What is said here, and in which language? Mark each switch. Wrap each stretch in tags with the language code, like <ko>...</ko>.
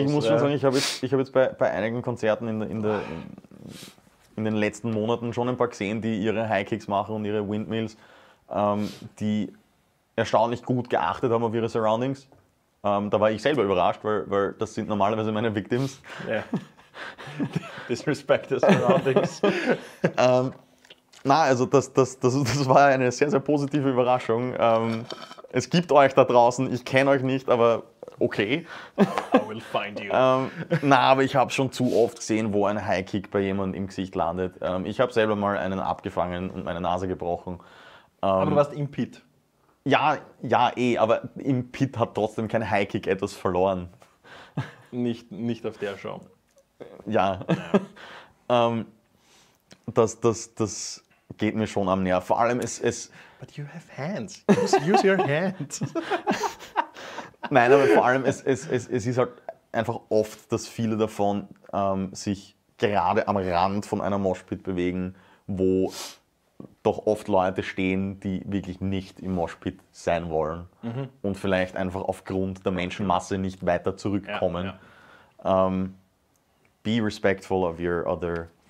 <de>Ich muss schon sagen, ich habe jetzt bei einigen Konzerten in den letzten Monaten schon ein paar gesehen, die ihre High-Kicks machen und ihre Windmills, die erstaunlich gut geachtet haben auf ihre Surroundings. Da war ich selber überrascht, weil das sind normalerweise meine Victims.</de> <en>Yeah. Disrespect is surroundings.</en> <de>Also das war eine sehr, sehr positive Überraschung. Es gibt euch da draußen, ich kenne euch nicht, aber okay.</de> <en>I will find you.</en> <de>aber ich habe schon zu oft gesehen, wo ein Highkick bei jemandem im Gesicht landet. Ich habe selber mal einen abgefangen und meine Nase gebrochen. Aber du warst im Pit. Ja, ja, eh, aber im Pit hat trotzdem kein Highkick etwas verloren. Nicht auf der Show. Ja. das geht mir schon am Nerv. Vor allem es...</de> <en>But you have hands. Use your hands.</en> <de>Nein, aber vor allem es ist halt einfach oft, dass viele davon sich gerade am Rand von einer Moshpit bewegen, wo doch oft Leute stehen, die wirklich nicht im Moshpit sein wollen und vielleicht einfach aufgrund der Menschenmasse nicht weiter zurückkommen. Ja.</de> <en>Be respectful of your other...</en>